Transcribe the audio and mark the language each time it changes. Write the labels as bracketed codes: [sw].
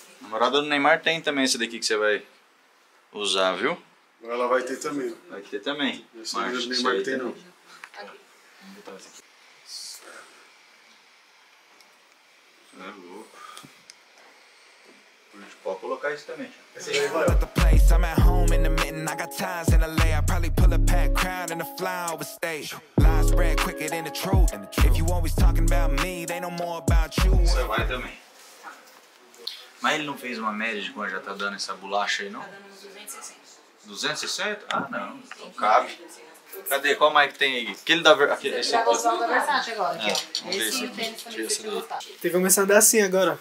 [pt] Namorada do Neymar tem também esse daqui que você vai usar, viu? Ela vai ter também. Vai ter também. Esse Marte, do Neymar tem também. Não. Aqui. Vamos botar isso aqui. Isso é louco. Pode colocar isso também. Esse aí vai. [en] I'm at home in the mitten, I got ties in LA, I probably pull a pack crowd in a flower state. Lies spread quicker than the truth. If you always talking about me, they know more about you. [pt] Você vai também. Mas ele não fez uma média de quanto já tá dando essa bolacha aí, não? Tá dando uns 260. 260? Ah, não. Então cabe. Cadê? Qual mic tem aí? Aquele da Versace. Esse é o da Versace agora. Esse e o tênis também vai ser. Tem que começar a andar assim agora.